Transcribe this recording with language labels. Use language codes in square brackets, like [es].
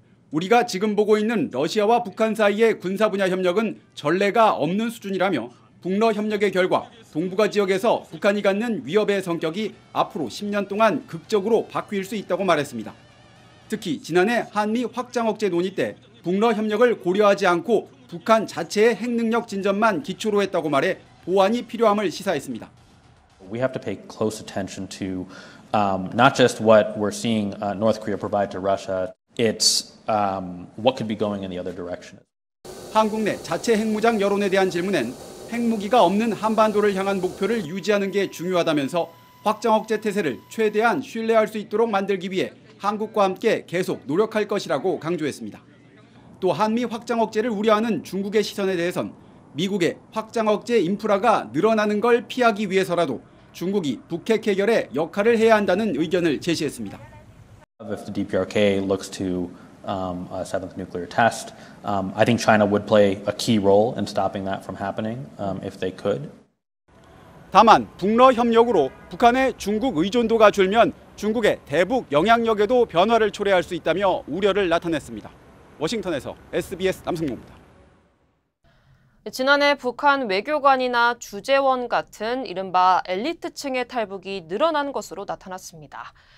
[ko] 우리가 지금 보고 있는 러시아와 북한 사이의 군사 분야 협력은 전례가 없는 수준이라며 북러 협력의 결과 동북아 지역에서 북한이 갖는 위협의 성격이 앞으로 10년 동안 극적으로 바뀔 수 있다고 말했습니다. 특히 지난해 한미 확장 억제 논의 때 북러 협력을 고려하지 않고 북한 자체의 핵 능력 진전만 기초로 했다고 말해 보완이 필요함을 시사했습니다. [en] We have to pay close attention to not just what we're seeing North Korea provide to Russia. It's what could be going in the other direction. [ko] 한국 내 자체 핵무장 여론에 대한 질문엔 핵무기가 없는 한반도를 향한 목표를 유지하는 게 중요하다면서 확장 억제 태세를 최대한 신뢰할 수 있도록 만들기 위해 한국과 함께 계속 노력할 것이라고 강조했습니다. 또 한미 확장 억제를 우려하는 중국의 시선에 대해선 미국의 확장 억제 인프라가 늘어나는 걸 피하기 위해서라도 중국이 북핵 해결에 역할을 해야 한다는 의견을 제시했습니다. [en] If the DPRK looks to a seventh nuclear test, I think China would play a key role in stopping that from happening if they could. [ko] 다만 북러 협력으로 북한의 중국 의존도가 줄면 중국의 대북 영향력에도 변화를 초래할 수 있다며 우려를 나타냈습니다. 워싱턴에서 SBS 남승모입니다. 지난해 북한 외교관이나 주재원 같은 이른바 엘리트층의 탈북이 늘어난 것으로 나타났습니다.